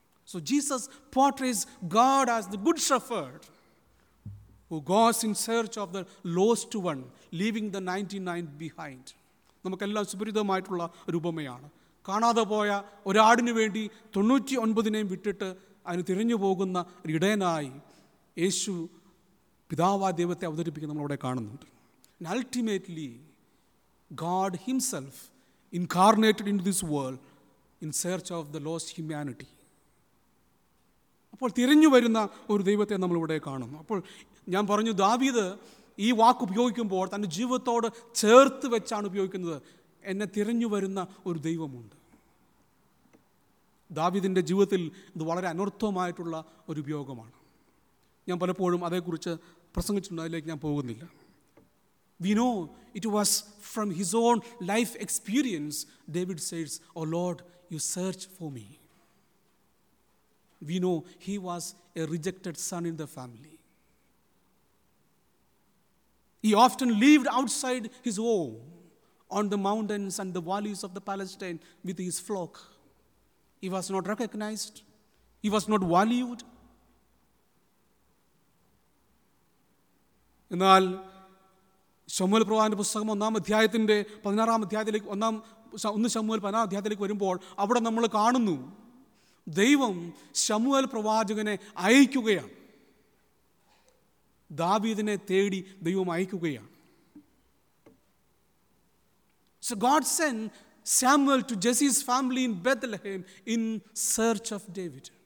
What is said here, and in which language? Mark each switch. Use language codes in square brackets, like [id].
[en] So Jesus portrays God as the good shepherd who goes in search of the lost one, leaving the 99 behind. [ml] നമുക്കെല്ലാം സുപരിചിതമായിട്ടുള്ള ഒരു ഉപമയാണ്. കാണാതെ പോയ ഒരാടിന് വേണ്ടി 99 വിട്ടിട്ട് അതിന് തിരഞ്ഞു പോകുന്ന ഒരു ഇടയനായി യേശു പിതാവായ ദൈവത്തെ അവതരിപ്പിക്കുന്ന നമ്മളവിടെ കാണുന്നുണ്ട്. [en] Ultimately God himself incarnated into this world in search of the lost humanity. [ml] അപ്പോൾ തിരഞ്ഞു വരുന്ന ഒരു ദൈവത്തെ നമ്മൾ ഇവിടെ കാണുന്നു. അപ്പോൾ ഞാൻ പറഞ്ഞു, ദാവീദ് ഈ വാക്ക് ഉപയോഗിക്കുമ്പോൾ തൻ്റെ ജീവിതത്തോട് ചേർത്ത് വെച്ചാണ് ഉപയോഗിക്കുന്നത്. എന്നെ തിരഞ്ഞു വരുന്ന ഒരു ദൈവമുണ്ട്. ദാവീദിൻ്റെ ജീവിതത്തിൽ ഇത് വളരെ അനർത്ഥമായിട്ടുള്ള ഒരു ഉപയോഗമാണ്. ഞാൻ പലപ്പോഴും അതേക്കുറിച്ച് പ്രസംഗിച്ചിട്ടുണ്ട്, അതിലേക്ക് ഞാൻ പോകുന്നില്ല. [en] We know it was from his own life experience David says, oh Lord, you search for me. We know he was a rejected son in the family. He often lived outside his home on the mountains and the valleys of the Palestine with his flock. He was not recognized. He was not valued. [ml] എന്നാൽ ശമുവേൽ പ്രവാചകന്റെ പുസ്തകം ഒന്നാം അധ്യായത്തിൻ്റെ 16th അധ്യായത്തിലേക്ക് ഒന്ന് ശമുവേൽ 16th അധ്യായത്തിലേക്ക് വരുമ്പോൾ അവിടെ നമ്മൾ കാണുന്നു, ദൈവം ശമുവേൽ പ്രവാചകനെ അയക്കുകയാണ്. ദാവീദിനെ തേടി ദൈവം അയക്കുകയാണ്. [en] So God sent Samuel to Jesse's family in Bethlehem in search of David.